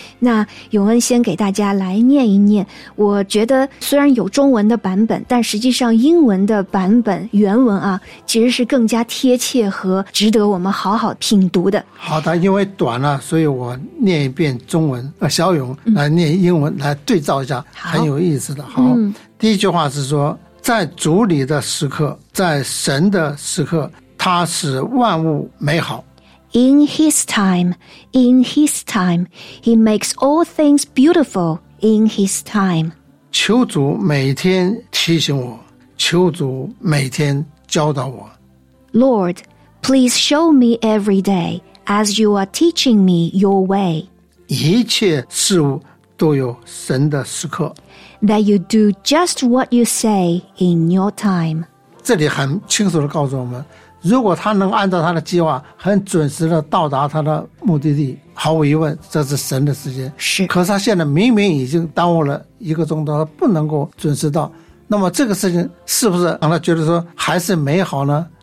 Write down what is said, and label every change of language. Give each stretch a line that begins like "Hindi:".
Chinese: 那永恩先给大家来念一念，我觉得虽然有中文的版本，但实际上英文的版本原文啊其实是更加贴切和值得我们好好品读的。好的，因为短了，所以我念一遍中文，小永来念英文，来对照一下，很有意思的。好，第一句话是说，在主里的时刻，在神的时刻，他使万物美好。
English: In his time, in his time, he makes all things beautiful in his time.
Chinese: 求主每天提醒我，求主每天教导我。
English: Lord, please show me every day as you are teaching me your way.
Chinese: 一切事物都有神的时刻。
English: That you do just what you say in your time.
Chinese: 这里很清楚地告诉我们，如果他能按照他的计划很准时地到达他的目的地，毫无疑问这是神的时间。是，可是他现在明明已经耽误了一个钟头，他不能够准时到，那么这个事情是不是让他觉得说还是美好呢？